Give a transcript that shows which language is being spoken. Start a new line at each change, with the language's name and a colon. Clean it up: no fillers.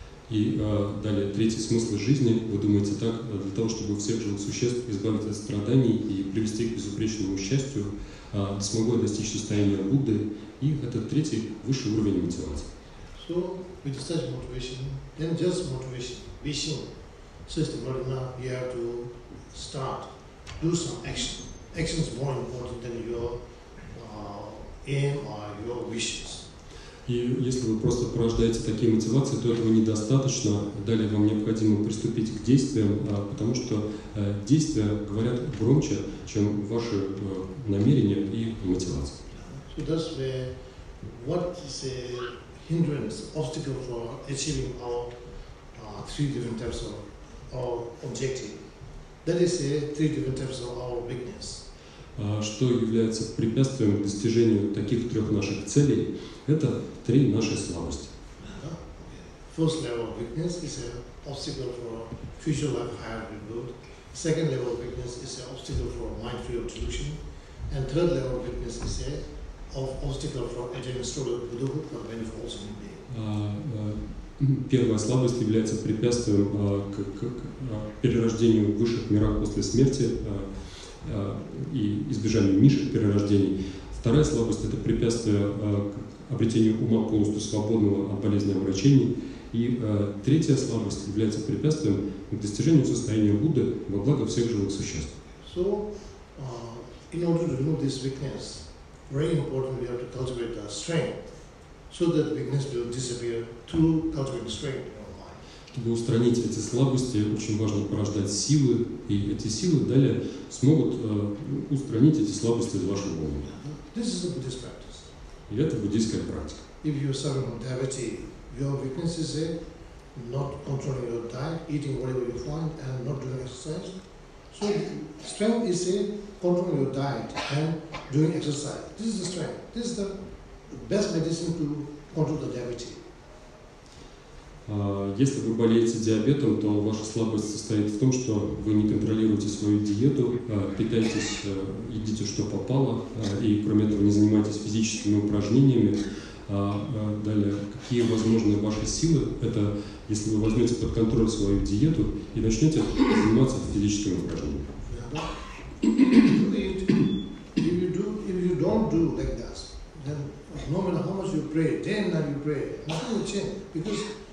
Russian: И далее, третий смысл жизни, вы думаете так, для того, чтобы всех живых существ избавить от страданий и привести к безупречному счастью, смогу я достичь состояния Будды, и это третий, высший уровень мотивации.
English: So, with such motivation, then just motivation, wishing, says the Lord, now you have to start, do some action. Action is more important than your aim or your wishes.
Russian: И если вы просто порождаете такие мотивации, то этого недостаточно. Далее вам необходимо приступить к действиям, потому что действия говорят громче, чем ваши намерения и мотивации.
English: So that's where what is a hindrance, obstacle for achieving our three different types of our objective. That is a three different types of our weakness.
Russian: Что является препятствием к достижению таких трех наших целей, это три наши слабости.
English: First level weakness is an obstacle for future life higher reward. Second level weakness is an obstacle for mind free of delusion. And third level weakness is an obstacle for attaining stronger Buddhahood for many false human beings.
Russian: Первая слабость является препятствием к перерождению в высших мирах после смерти. И избежание низших перерождений. Вторая слабость – это препятствие к обретению ума полностью свободного от болезни и омрачений. И третья слабость является препятствием к достижению состояния Будды во благо всех живых существ.
English: So, in order to remove this weakness, very important we have to cultivate the strength, so that weakness will disappear through cultivating strength.
Russian: Чтобы устранить эти слабости, очень важно порождать силы, и эти силы далее смогут устранить эти слабости из вашего ума.
English: This is a Buddhist practice.
Russian: И это буддийская практика.
English: If you're suffering from diabetes, your weakness is not controlling your diet, eating whatever you find, and not doing exercise. So strength is controlling your diet and doing exercise. This is the strength. This is the best medicine to control the diabetes.
Russian: Если вы болеете диабетом, то ваша слабость состоит в том, что вы не контролируете свою диету, питаетесь, едите, что попало, и, кроме этого, не занимаетесь физическими упражнениями. Далее, какие возможны ваши силы? Это если вы возьмете под контроль свою диету и начнете заниматься физическими упражнениями.